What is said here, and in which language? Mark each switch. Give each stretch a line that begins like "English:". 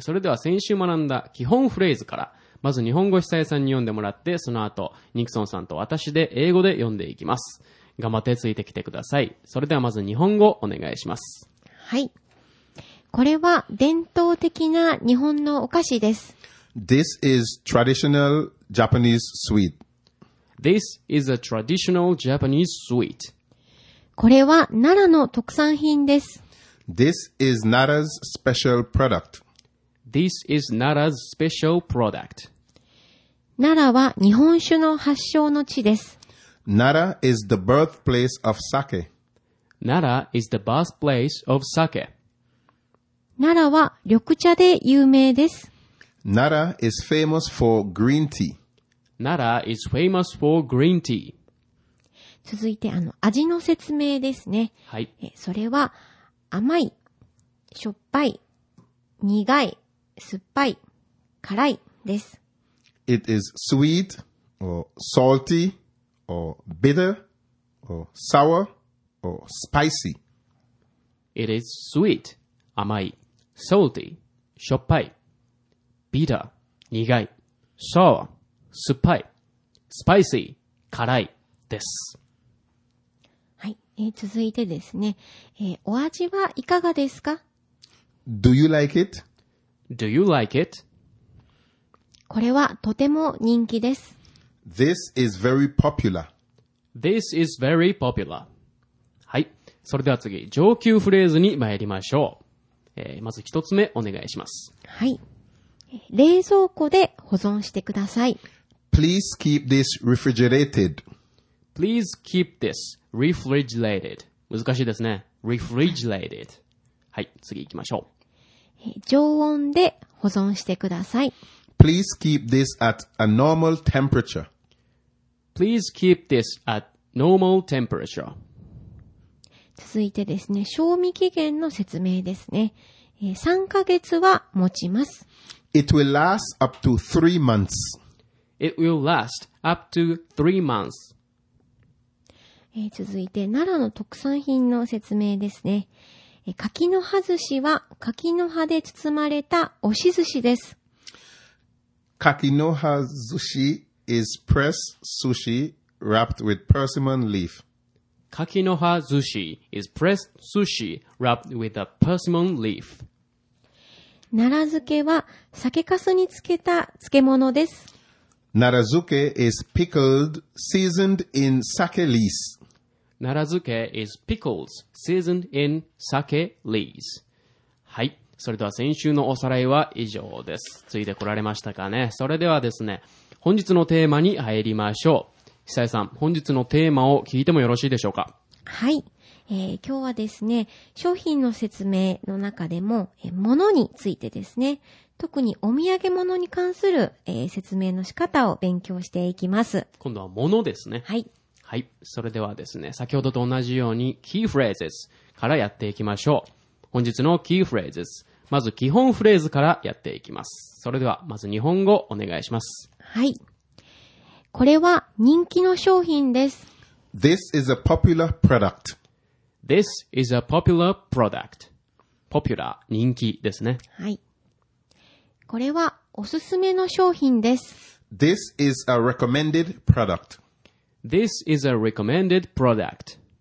Japanese: それでは先週学んだ基本フレーズから、まず日本語久江さんに読んでもらって、その後ニクソンさんと私で英語で読んでいきます。頑張ってついてきてください。それではまず日本語お願いします。はい。これは伝統的な日本のお菓子です。
English: This is traditional Japanese sweet. This is a traditional Japanese sweet.
Japanese: これは奈良の特産品です。
English: This is Nara's special product. This is Nara's special product.
Japanese: 奈良は日本酒の発祥の地です。
English: Nara is the birthplace of sake. Nara is the birthplace of sake.
Japanese: 奈良は緑茶で有名です。
English: 奈良 is famous for green tea. 奈良 is famous for green tea.
Japanese: 続いて味の説明ですね。はい。それは甘い、しょっぱい、苦い、酸っぱい、辛いです。
English: It is sweet or salty or bitter or sour or spicy. It is sweet,
Japanese: 甘い。
English: Salty,
Japanese: しょっぱい。
English: Bitter,
Japanese: 苦い。
English: Sour,
Japanese: 酸っぱい。
English: Spicy,
Japanese: 辛いです。はい、続いてですね、お味はいかがですか？
English: Do you like it? Do you like it?
Japanese: これはとても人気です。
English: This is very popular. This is very popular.
Japanese: はい、それでは次、上級フレーズに参りましょう。まず一つ目お願いします。はい。冷蔵庫で保存してください。
English: Please keep this refrigerated. Please keep this refrigerated.
Japanese: 難しいですね。Refrigerated. はい、次行きましょう。常温で保存してください。
English: Please keep this at a normal temperature. Please keep this at normal temperature.
Japanese: 続いてですね、賞味期限の説明ですね。 3ヶ月は持ちます。
English: It will last up to 3 months. It will last up to 3 months.
Japanese: 続いて、奈良の特産品の説明ですね。柿の葉寿司は柿の葉で包まれた押し寿司です。
English: 柿の葉寿司 is pressed sushi wrapped with persimmon leaf. 柿の葉寿司 is pressed sushi wrapped with a persimmon leaf.
Japanese: 奈良漬けは酒粕につけた漬物です。
English: 奈良漬け is pickled seasoned in sake lees. 奈良漬け is pickles seasoned in sake lees.
Japanese: はい。それでは先週のおさらいは以上です。ついてこられましたかね。それではですね、本日のテーマに入りましょう。久江さん、本日のテーマを聞いてもよろしいでしょうか？はい、今日はですね、商品の説明の中でも、物についてですね、特にお土産物に関する、説明の仕方を勉強していきます。今度は物ですね。はい、はい、それではですね、先ほどと同じようにキーフレーズからやっていきましょう。本日のキーフレーズ、まず基本フレーズからやっていきます。それではまず日本語お願いします。はい、これは人気の商品です。
English: This is a popular product. This is a popular product. Popular,
Japanese: 人気ですね。はい。これはおすすめの商品です。
English: This is a recommended product. This is a recommended product.